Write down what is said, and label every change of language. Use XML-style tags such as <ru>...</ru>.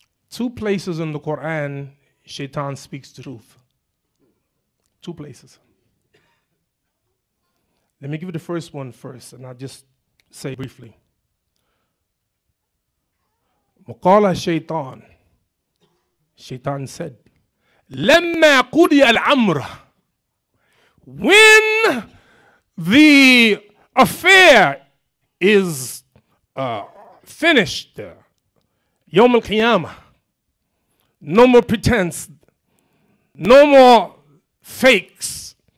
<en>Two places in the Quran, shaitan speaks the truth. Two places. Let me give you the first one first, and I'll just say briefly.</en> <ar>وقال الشيطان.</ar> <en>Shaitan said,</en> <ar>لما قضي الأمر.</ar> <en>When the affair is finished,</en> <ar>يوم القيامة.</ar> <en>No more pretense. No more fakes.</en>